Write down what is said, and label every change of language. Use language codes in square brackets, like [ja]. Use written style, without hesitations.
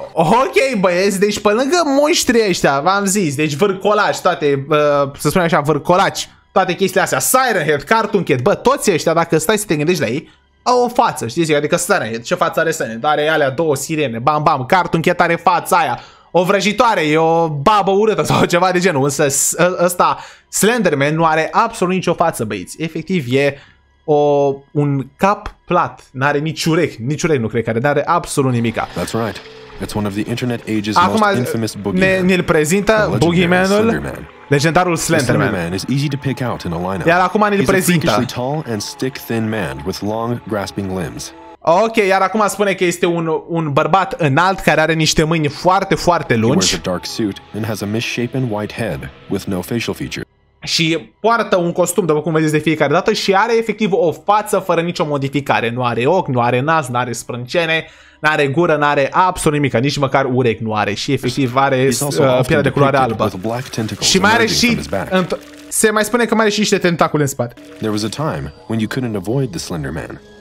[ro] Ok, băieți, deci pe lângă monștrii ăștia, v-am zis, deci vârcolaci, toate, să spunem așa, vârcolaci, toate chestiile astea, Siren Head, Cartoon Cat, bă, toți ăștia, dacă stai să te gândești la ei, au o față, știți, adică Siren Head, ce față are Siren Head, are alea două sirene, bam, bam, Cartoon Cat are fața aia, o vrăjitoare, e o babă urâtă sau ceva de genul, însă ăsta, Slenderman, nu are absolut nicio față, băieți, efectiv e un cap plat, n-are nici urechi nu cred că are, n-are absolut nimica. [en] That's right. It's one of the internet age's acum most infamous boogeyman. Ne-l prezintă boogeyman-ul, legendarul Slenderman. Is easy to pick out in a lineup. Iar acum ne-l prezintă. He's a freakishly tall and stick thin man with long grasping limbs. [ro] Ok, iar acum spune că este un bărbat înalt care are niște mâini foarte, foarte lungi. He wears a dark suit and has a misshapen white head with no facial features. Și poartă un costum, după cum vedeți de fiecare dată, și are efectiv o față fără nicio modificare. Nu are ochi, nu are nas, nu are sprâncene, nu are gură, nu are absolut nimic, nici măcar urechi nu are. Și efectiv are pielea de culoare albă. Și mai are și... se mai spune că mai are și niște tentacule în spate. [en] There was a time when you couldn't avoid the Slender Man.